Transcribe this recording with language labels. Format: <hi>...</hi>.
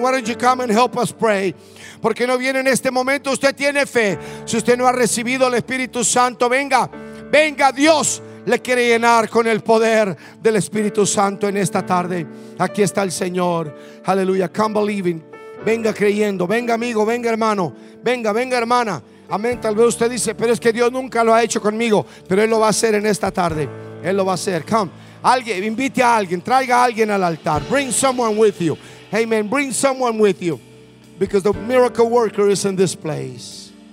<en>Why don't you come and help us pray?</en> <es>Porque no viene en este momento. Usted tiene fe. Si usted no ha recibido el Espíritu Santo, venga, venga. Dios le quiere llenar con el poder del Espíritu Santo en esta tarde. Aquí está el Señor. Hallelujah.</es> <en>Come believing.</en> <es>Venga creyendo. Venga, amigo. Venga, hermano. Venga, venga, hermana. Amén. Tal vez usted dice, pero es que Dios nunca lo ha hecho conmigo. Pero Él lo va a hacer en esta tarde. Él lo va a hacer. Come. Alguien, invite a alguien, traiga a alguien al altar.</es> <en>Bring someone with you. Amen. Bring someone with you. Because the miracle worker is in this place.</en>